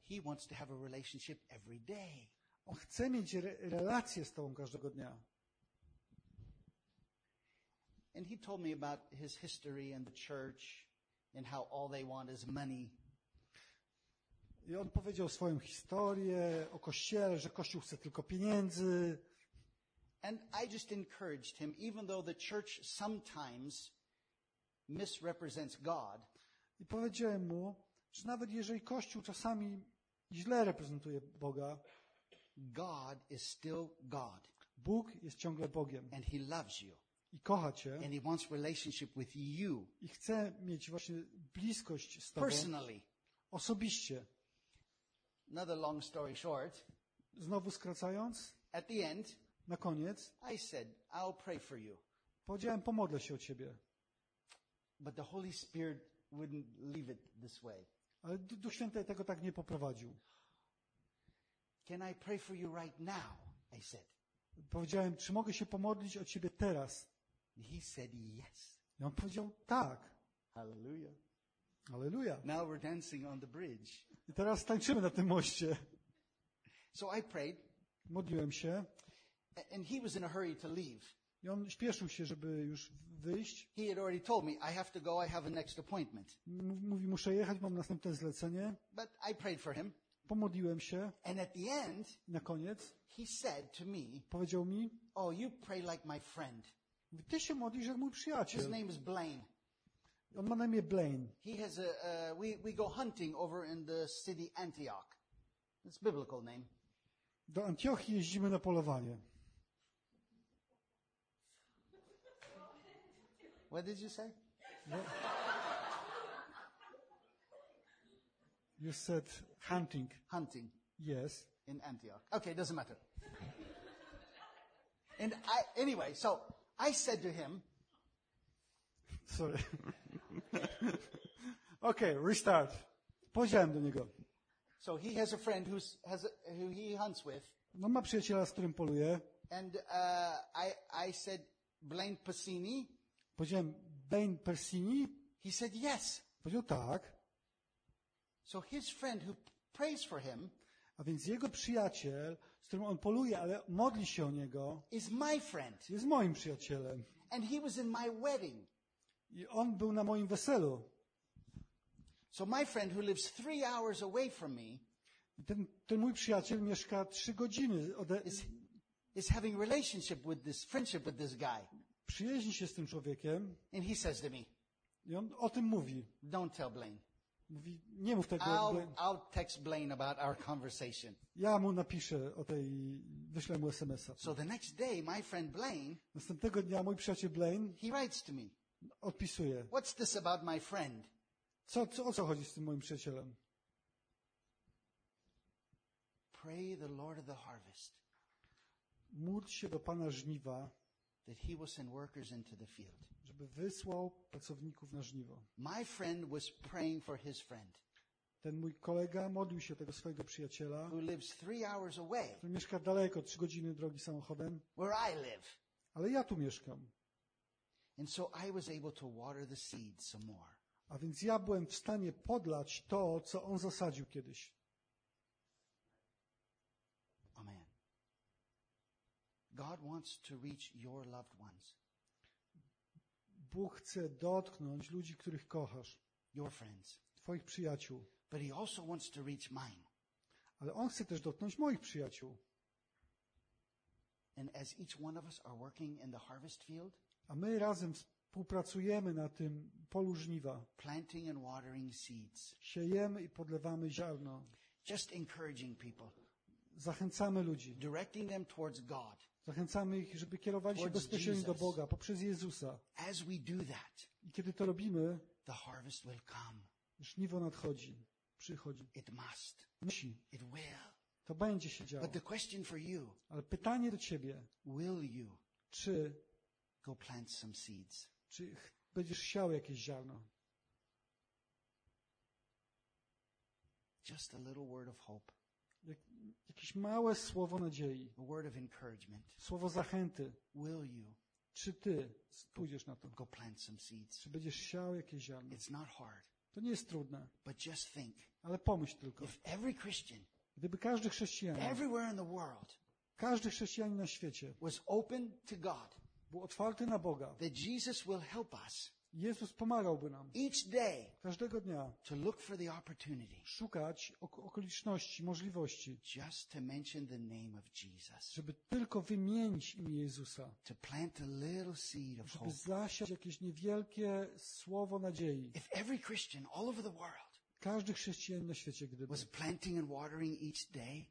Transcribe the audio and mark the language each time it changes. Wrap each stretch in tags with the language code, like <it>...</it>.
<en>He wants to have a relationship every day.</en> <pl>On chce mieć relację z tobą każdego dnia.</pl> <en>And he told me about his history and the church and how all they want is money.</en> <pl>I on powiedział swoją historię o kościele, że kościół chce tylko pieniędzy.</pl> <en>And I just encouraged him, even though the church sometimes misrepresents God.</en> <pl>I powiedziałem mu, że nawet jeżeli kościół czasami źle reprezentuje Boga,</pl> <en>God is still God.</en> <pl>Bóg jest ciągle Bogiem.</pl> <en>And he loves you.</en> <pl>i kocha cię.</pl> <en>And he wants relationship with you.</en> <pl>I chce mieć właśnie bliskość z tobą.</pl> <en>Personally.</en> <pl>Osobiście.</pl> <en>Another long story short.</en> <pl>Znowu skracając.</pl> <en>At the end.</en> <pl>Na koniec.</pl> <en>I said, I'll pray for you.</en> <pl>Powiedziałem, pomodlę się o ciebie.</pl> <en>But the Holy Spirit wouldn't leave it this way.</en> <pl>Ale Duch Święty tego tak nie poprowadził.</pl> <en>Can I pray for you right now? I said.</en> <pl>Powiedziałem, czy mogę się pomodlić o ciebie teraz?</pl> <en>He said yes.</en> <pl>I on powiedział tak. Hallelujah. Hallelujah.</pl> <en>Now we're dancing on the bridge.</en> <pl>I teraz tańczymy na tym moście.</pl> <en>So I prayed.</en> <pl>Modliłem się.</pl> <en>And he was in a hurry to leave.</en> <pl>I on śpieszył się, żeby już wyjść.</pl> <en>He had already told me, I have to go, I have a next appointment.</en> <pl>Mówi, muszę jechać, mam następne zlecenie.</pl> <en>But I prayed for him.</en> <pl>Pomodliłem się.</pl> <en>And at the end,</en> <pl>na koniec,</pl> <en>he said to me,</en> <pl>powiedział mi,</pl> <en>oh, you pray like my friend.</en> <pl>Ty się modlisz jak mój przyjaciel.</pl> <en>His name is Blaine.</en> <pl>On ma na imię Blaine.</pl> <en>He has we go hunting over in the city Antioch. It's a biblical name.</en> <pl>Do Antiochii jeździmy na polowanie.</pl> <en>What did you say? You said hunting. Hunting. Yes. In Antioch. Okay, it doesn't matter. And I, anyway, so I said to him. Sorry. Okay, restart.</en> <pl>Powiedziałem do niego.</pl> <en>So he has a friend who he hunts with.</en> <pl>No, ma przyjaciela, z którym poluje.</pl> <en>And I said Blaine Persini.</en> <pl>Powiedziałem Blaine Persini.</pl> <en>He said yes.</en> <pl>Powiedział tak.</pl> <en>So his friend who prays for him,</en> <pl>a więc jego przyjaciel, z którym on poluje, ale modli się o niego,</pl> <en>is my friend.</en> <pl>Jest moim przyjacielem.</pl> <en>And he was in my wedding.</en> <pl>I on był na moim weselu.</pl> <en>So my friend who lives 3 hours away from me,</en> <pl>ten mój przyjaciel mieszka 3 godziny ode</pl> <en>is having relationship with this friendship with this guy.</en> <pl>Przyjaźni się z tym człowiekiem.</pl> <en>And he says to me,</en> <pl>i on o tym mówi.</pl> <en>Don't tell Blaine.</en> <pl>Mówi, nie mów tego.</pl> <en>I'll text Blaine about our conversation.</en> <pl>Ja mu napiszę o tej, wyślę mu SMS-a.</pl> <en>So the next day, my friend Blaine,</en> <pl>następnego dnia mój przyjaciel Blaine,</pl> <en>he writes to me,</en> <pl>odpisuje.</pl> <en>What's this about my friend?</en> <pl>O co chodzi z tym moim przyjacielem?</pl> <en>Pray the Lord of the harvest.</en> <pl>Módl się do Pana żniwa,</pl> <en>that he will send workers into the field.</en> <pl>Żeby wysłał pracowników na żniwo.</pl> <en>My friend was praying for his friend.</en> <pl>Ten mój kolega modlił się tego swojego przyjaciela,</pl> <en>who lives 3 hours away.</en> <pl>Który mieszka daleko, 3 godziny drogi samochodem.</pl> <en>Where I live.</en> <pl>Ale ja tu mieszkam.</pl> <en>And so I was able to water the seed some more.</en> <pl>A więc ja byłem w stanie podlać to, co on zasadził kiedyś.</pl> <en>Amen. God wants to reach your loved ones.</en> <pl>Bóg chce dotknąć ludzi, których kochasz.</pl> <en>Your friends.</en> <pl>Twoich przyjaciół.</pl> <en>But he also wants to reach mine.</en> <pl>Ale on chce też dotknąć moich przyjaciół.</pl> <en>And as each one of us are working in the harvest field,</en> <pl>a my razem współpracujemy na tym polu żniwa.</pl> <en>Planting and watering seeds.</en> <pl>Siejemy i podlewamy ziarno.</pl> <en>Just encouraging people.</en> <pl>Zachęcamy ludzi.</pl> <en>Directing them towards God.</en> <pl>Zachęcamy ich, żeby kierowali się bezpośrednio do Boga poprzez Jezusa.</pl> <en>As we do that,</en> <pl>i kiedy to robimy,</pl> <en>the harvest will come.</en> <pl>Żniwo nadchodzi, przychodzi.</pl> <en>It must.</en> <pl>Musi.</pl> <en>It will.</en> <pl>To będzie się działo.</pl> <en>But the question for you,</en> <pl>ale pytanie do ciebie.</pl> <en>Will you,</en> <pl>czy</pl> <en>go plant some seeds?</en> <pl>Czy będziesz siał jakieś ziarno?</pl> <en>Just a little word of hope.</en> <pl>Jakieś małe słowo nadziei.</pl> <en>A word of encouragement.</en> <pl>Słowo zachęty.</pl> <en>Will you?</en> <pl>Czy ty pójdziesz na to?</pl> <en>Go plant some seeds.</en> <pl>Czy będziesz siał jakieś ziarno?</pl> <en>It's not hard.</en> <pl>To nie jest trudne.</pl> <en>But just think.</en> <pl>Ale pomyśl tylko.</pl> <en>If every Christian,</en> <pl>gdyby każdy chrześcijanin,</pl> <en>everywhere in the world,</en> <pl>każdy chrześcijanin na świecie,</pl> <en>was open to God,</en> <pl>był otwarty na Boga,</pl> <en>that Jesus will help us,</en> <pl>Jezus pomagałby nam</pl> <en>each day,</en> <pl>każdego dnia,</pl> <en>to look for the opportunity,</en> <pl>szukać okoliczności, możliwości,</pl> <en>just to mention the name of Jesus,</en> <pl>żeby tylko wymienić imię Jezusa,</pl> <en>to plant a little seed of hope,</en> <pl>zasiać jakieś niewielkie słowo nadziei.</pl> <en>If every Christian all over the world,</en> <pl>każdy chrześcijanin na świecie, gdyby</pl> <en>was planting and watering each day,</en>